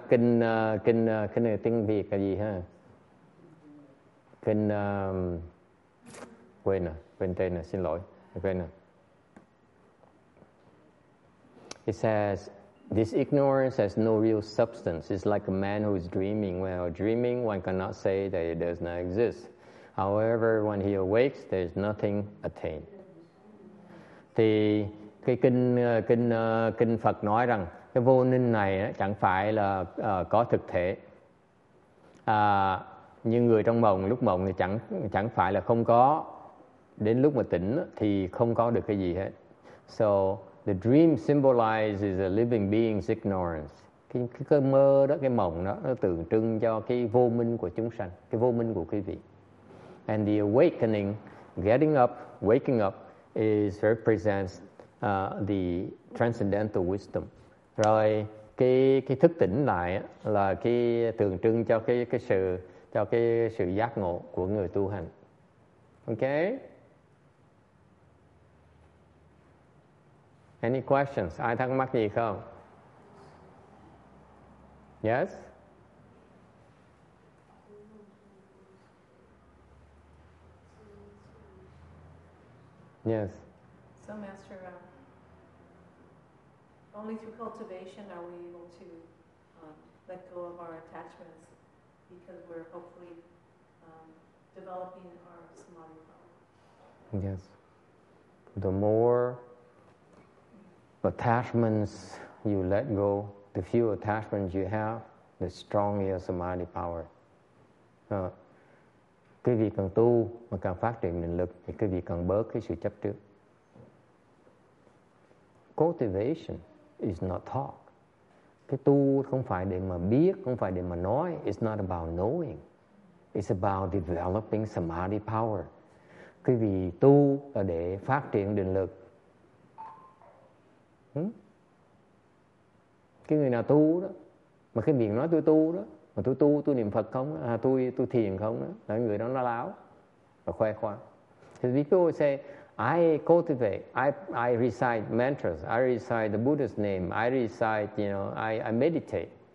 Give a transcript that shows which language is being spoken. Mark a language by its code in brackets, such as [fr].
[vi] Kinh tiếng Việt cái gì ha? Kinh quên rồi. Quên tên rồi, xin lỗi. Quên rồi. [en] He says, this ignorance has no real substance. It's like a man who is dreaming. Well, dreaming, one cannot say that it does not exist. However, when he awakes, there is nothing attained. [vi] Thì cái kinh Phật nói rằng cái vô ninh này chẳng phải là có thực thể. Như người trong mộng, lúc mộng thì chẳng phải là không có. Đến lúc mà tỉnh thì không có được cái gì hết. [en] So the dream symbolizes a living being's ignorance. [vi] Cái cơ mơ đó, cái mộng đó, nó tượng trưng cho cái vô minh của chúng sanh, cái vô minh của quý vị. [en] And the awakening, getting up, waking up, is represents the transcendental wisdom. [vi] Rồi cái thức tỉnh lại là cái tượng trưng cho cái sự giác ngộ của người tu hành. [en] Okay? Any questions? [vi] Ai thắc mắc gì không? [en] Yes? Yes. So, Master, only through cultivation are we able to let go of our attachments, because we're hopefully developing our samadhi power. Yes. The more attachments you let go, the few attachments you have, the stronger your samadhi power. [vi] Cái vị càng tu mà càng phát triển định lực thì cái vị càng bớt cái sự chấp trước. [en] Cultivation is not talk. [vi] Cái tu không phải để mà biết, không phải để mà nói. [en] It's not about knowing. It's about developing samadhi power. [vi] Cái vị tu là để phát triển định lực. Cái người nào tu đó mà cái miệng nói tôi tu đó, mà tôi niệm Phật không, tôi thiền không đó, là người đó nó láo và khoe khoang. Thì [en] people will say, I cultivate, I recite mantras, I recite the Buddha's name, I recite, you know, I meditate.